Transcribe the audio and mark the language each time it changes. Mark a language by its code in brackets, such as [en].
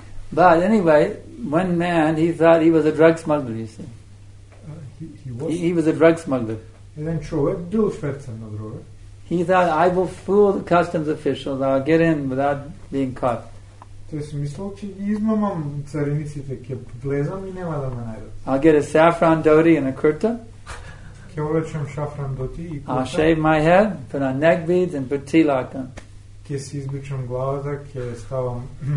[en] But anyway, one man, he thought he was a drug smuggler, you see. He was a drug smuggler. And then [mk] човек бил шверцер на дрога. [en] He thought, I will fool the customs officials, I'll get in without being caught. I'll get a saffron dhoti and a kurta. I'll shave my head, put on neck beads and put tilak on.